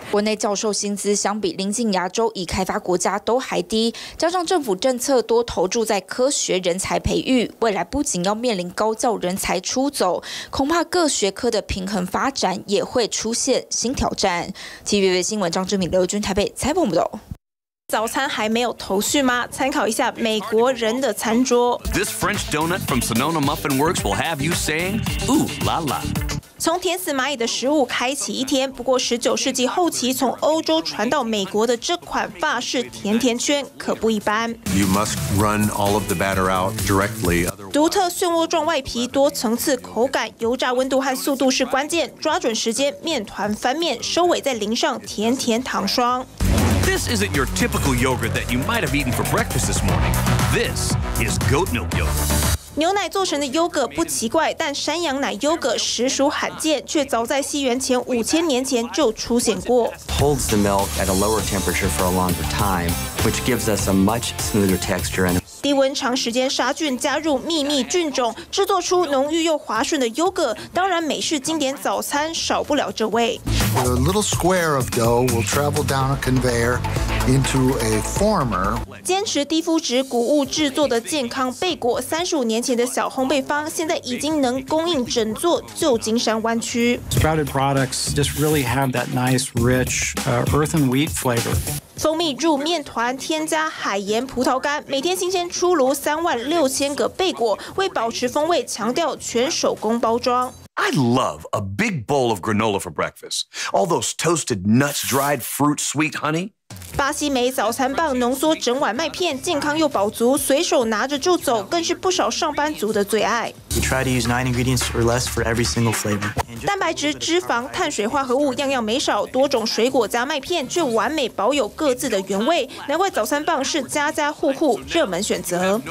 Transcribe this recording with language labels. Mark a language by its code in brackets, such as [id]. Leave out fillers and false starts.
[zh] 国内教授薪资相比邻近亚洲已开发国家都还低，加上政府政策多投注在科学人才培育，未来不仅要面临高教人才出走，恐怕各学科的平衡发展展也会出现新挑战。 TVB 新闻张志敏、刘君台北采访报道。早餐还没有头绪吗？参考一下美国人的餐桌。 [en] This French donut from Sonoma Muffin Works will have you saying ooh la la。 [zh] 从填死蚂蚁的食物开启一天，不过十九世纪后期从欧洲传到美国的这款法式甜甜圈可不一般。 [en] You must run all of the batter out directly。 [zh] 独特漩涡状外皮、多层次口感、油炸温度和速度是关键，抓准时间，面团翻面，收尾再淋上甜甜糖霜。 [en] This isn't your typical yogurt that you might have eaten for breakfast this morning. This is goat milk yogurt. [zh] 牛奶做成的优格不奇怪，但山羊奶优格实属罕见，却早在西元前5000年前就出现过。 [en] Holds the milk at a lower temperature for a longer time, which gives us a much smoother texture and [zh] 低温长时间杀菌，加入秘密菌种，制作出浓郁又滑顺的优格。当然，美式经典早餐少不了这味。 [en] The little square of dough will travel down a conveyor into a former. [zh] 坚持低麸质谷物制作的健康贝果，35年前的小烘焙坊，现在已经能供应整座旧金山湾区。 [en] Sprouted products just really have that nice, rich, earthen wheat flavor. [zh] 蜂蜜入面团，添加海盐、葡萄干，每天新鲜出炉36000个贝果，为保持风味，强调全手工包装。 [en] I love a big bowl of granola for breakfast. All those toasted nuts, dried fruit, sweet honey. [zh] 巴西莓早餐棒浓缩整碗麦片，健康又饱足，随手拿着就走，更是不少上班族的最爱。 [en] We try to use 9 ingredients or less for every single flavor. [zh] 蛋白质、脂肪、碳水化合物样样没少，多种水果加麦片却完美保有各自的原味，难怪早餐棒是家家户户热门选择。